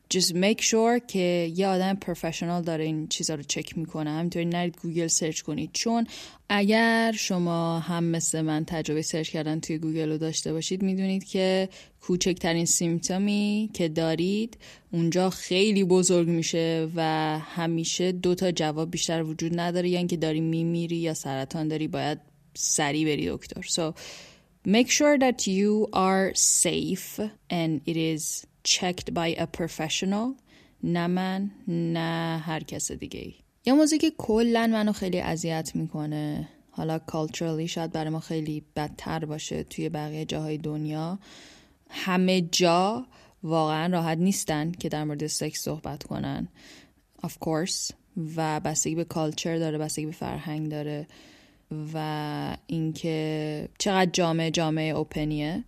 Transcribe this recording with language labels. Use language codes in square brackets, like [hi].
[en] Just make sure [fa] که یه آدم پروفشنال داره این چیزا رو چک میکنه، همینطوری نرید گوگل سرچ کنید، چون اگر شما هم مثل من تجربه سرچ کردن توی گوگل رو داشته باشید میدونید که کوچکترین سیمتومی که دارید اونجا خیلی بزرگ میشه و همیشه دو تا جواب بیشتر وجود نداره، یعنی که داری میمیری یا سرطان داری باید سریع بری دکتر. [en] So make sure that you are safe and it is checked by a professional، [fa] نه من نه هر کس دیگه. یه موضوعی که کلن منو خیلی اذیت میکنه، حالا کالچرالی شاید برای ما خیلی بدتر باشه توی بقیه جاهای دنیا، همه جا واقعا راحت نیستن که در مورد سکس صحبت کنن، [en] of course، [fa] و بستگی به کالچر داره، بستگی به فرهنگ داره و اینکه چقدر جامعه اوپنیه.